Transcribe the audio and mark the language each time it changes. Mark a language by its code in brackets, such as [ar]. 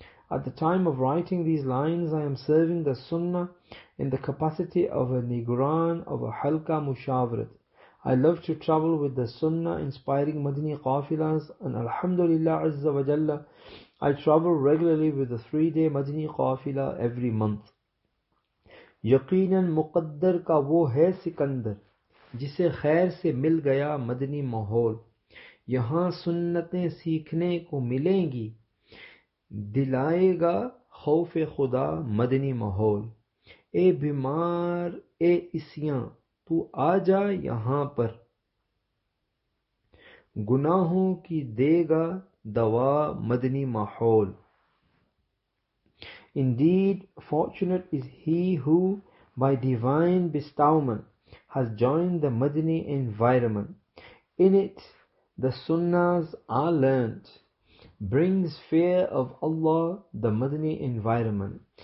[en] At the time of writing these lines, I am serving the Sunnah in the capacity of a Nigran of a Halka Mushavrat. I love to travel with the Sunnah inspiring Madani Qafilas, and Alhamdulillah Azza wa Jalla, I travel regularly with a 3-day Madani Qafila every month. [ur] یقیناً مقدر کا وہ ہے سکندر جسے خیر سے مل گیا مدنی ماحول. یہاں سنتیں سیکھنے کو ملیں گی, دلائے گا خوف خدا مدنی ماحول. اے بیمار اے عیسیاں تو آ جا یہاں پر, گناہوں کی دے گا دوا مدنی ماحول. [en] Indeed, fortunate is he who, by divine bestowment, has joined the Madani environment. In it, the sunnahs are learnt, brings fear of Allah, the Madani environment.